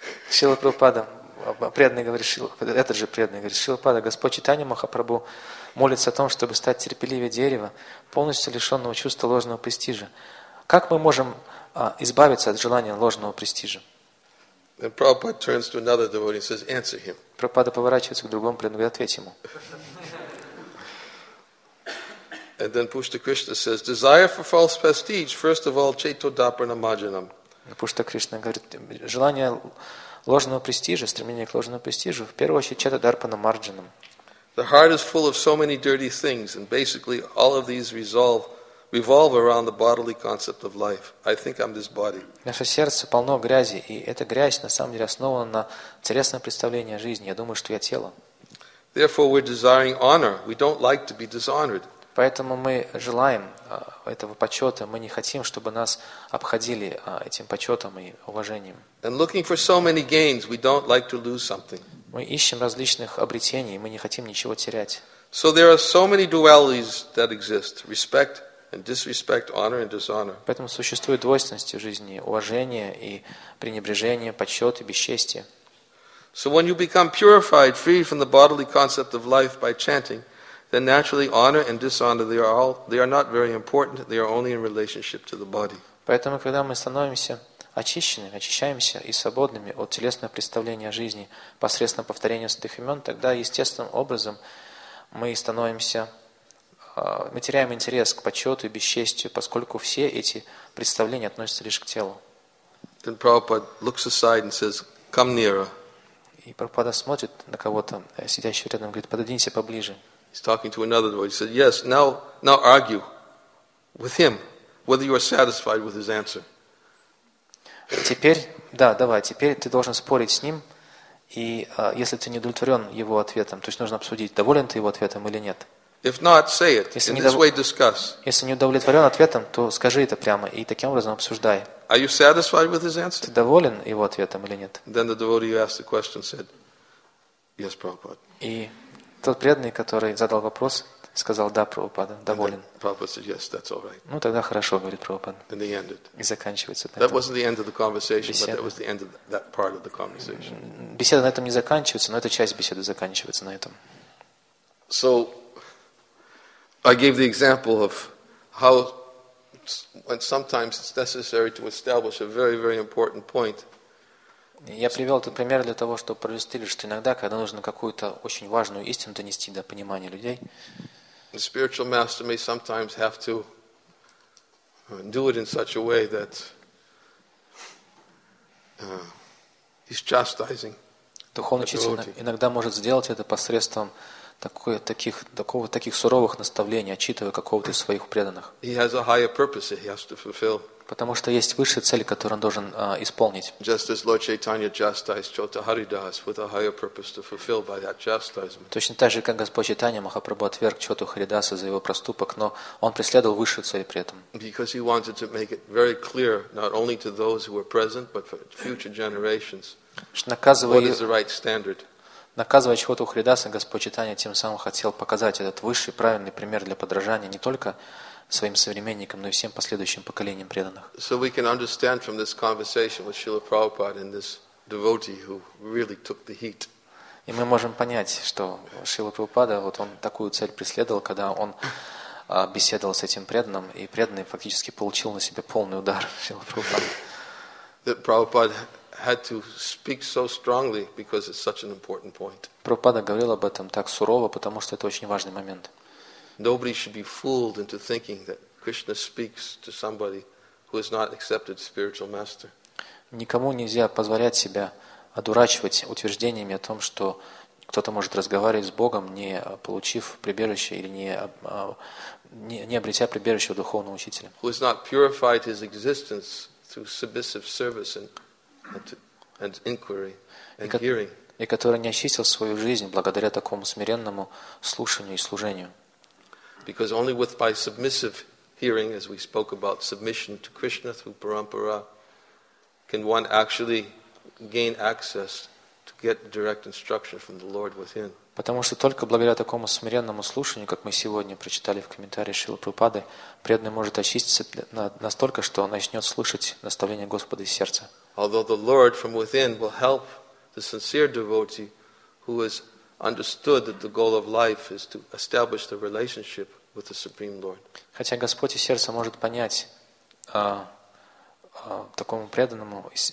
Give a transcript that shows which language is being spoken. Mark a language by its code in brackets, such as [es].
[ru] Srila Prabhupada, преданный говорит, этот же преданный говорит, Srila Prabhupada, Господь Чайтанья Махапрабху молится о том, чтобы стать терпеливее дерева, полностью лишенного чувства ложного престижа. Как мы можем избавиться от желания ложного престижа? [en] And Prabhupada turns to another devotee and says, answer him. [ru] Прабхупада поворачивается к другому преданному и ответь ему. [en] And then Pushta Krishna says, desire for false prestige, first of all, chetodaparnamajanam. [ru] Пушта Кришна говорит, желание ложного престижа, стремление к ложному престижу, в первую очередь, четодарпанамарджанам. [en] The heart is full of so many dirty things, and basically all of these revolve around the bodily concept of life. I think I'm this body. [ru] Наше сердце полно грязи, и эта грязь на самом деле основана на телесном представлении о жизни. Я думаю, что я тело. [en] Therefore, we're desiring honor. We don't like to be dishonored. [ru] Поэтому мы желаем этого почета. Мы не хотим, чтобы нас обходили этим почетом и уважением. [en] And looking for so many gains, we don't like to lose something. [ru] Мы ищем различных обретений, мы не хотим ничего терять. [en] So there are so many dualities that exist: respect and disrespect, honor and dishonor. [ru] Поэтому существуют двойственности в жизни: уважение и пренебрежение, почет и бесчестие. [en] So when you become purified, free from the bodily concept of life by chanting, then naturally honor and dishonor they are not very important. They are only in relationship to the body. [ru] Поэтому, когда мы становимся очищенными, очищаемся и свободными от телесного представления о жизни посредством повторения святых имен, тогда естественным образом мы становимся, мы теряем интерес к почету и бесчестию, поскольку все эти представления относятся лишь к телу. [en] Then Prabhupada looks aside and says, come nearer. [ru] И Прабхупада смотрит на кого-то, сидящего рядом, говорит, пододвинься поближе. [en] He's talking to another devotee. He said, yes, now argue with him whether you are satisfied with his answer. [ru] Теперь, да, давай, теперь ты должен спорить с ним, и если ты не удовлетворен его ответом, то есть нужно обсудить, доволен ты его ответом или нет. [en] If not, say it. In this way, discuss. [ru] Если не удовлетворен ответом, то скажи это прямо и таким образом обсуждай. [en] Are you satisfied with his answer? [ru] Ты доволен его ответом или нет? [en] Then the devotee who asked the question said, "Yes, Prabhupada." [ru] И тот преданный, который задал вопрос, сказал: "Да, Прабхупада, доволен." [en] Prabhupada said, "Yes, that's all right." [ru] Ну тогда хорошо, говорит Прабхупада. [en] And they ended. [ru] И заканчивается. [en] That wasn't the end of the conversation, but that was the end of that part of the conversation. [ru] Беседа на этом не заканчивается, но эта часть беседы заканчивается на этом. [en] So I gave the example of how when sometimes it's necessary to establish a very, very important point. [ru] Я привел этот пример для того, чтобы проиллюстрировать, что иногда, когда нужно какую-то очень важную истину донести до понимания людей, [en] the spiritual master may sometimes have to do it in such a way that he's chastising. [ru] Духовный учитель иногда может сделать это посредством таких суровых наставлений, отчитывая какого-то из своих преданных. [en] He has a higher purpose that he has to fulfill. [ru] Потому что есть высшие цели, которые он должен исполнить. [en] Just as Lord Chaitanya chastised Chota Haridas with a higher purpose to fulfill by that chastisement. [ru] Точно так же, как Господь Чайтанья Махапрабху отверг Чоту Харидаса за его проступок, но он преследовал высшую цель при этом. [en] Because he wanted to make it very clear not only to those who were present, but for future generations. What is the right standard? [ru] Наказывая Чхоту Харидаса, Господь Чайтанья тем самым хотел показать этот высший правильный пример для подражания не только своим современникам, но и всем последующим поколениям преданных. [en] So we can understand from this conversation with Srila Prabhupada and this devotee who really took the heat. [ru] И мы можем понять, что Шрила Прабхупада, вот он такую цель преследовал, когда он беседовал с этим преданным, и преданный фактически получил на себя полный удар Шрила Прабхупада. [en] That Prabhupada had to speak so strongly because it's such an important point. [ru] Прабхупада говорил об этом так сурово, потому что это очень важный момент. [en] Nobody should be fooled into thinking that Krishna speaks to somebody who has not accepted spiritual master. [ru] Никому нельзя позволять себя одурачивать утверждениями о том, что кто-то может разговаривать с Богом, не получив прибежище или не обретя прибежище у духовного учителя. [en] Who has not purified his existence through submissive service and inquiry and hearing. [ru] И который не очистил свою жизнь благодаря такому смиренному слушанию и служению. [en] Because only with by submissive hearing, as we spoke about submission to Krishna through parampara, can one actually gain access to get direct instruction from the Lord within. [ru] Потому что только благодаря такому смиренному слушанию, как мы сегодня прочитали в комментарии Шрилы Прабхупады, преданный может очиститься настолько, что он начнет слышать наставление Господа из сердца. [en] Although the Lord from within will help the sincere devotee who is understood that the goal of life is to establish the relationship with the Supreme Lord. [ru] Хотя Господь из сердца может понять такому преданному.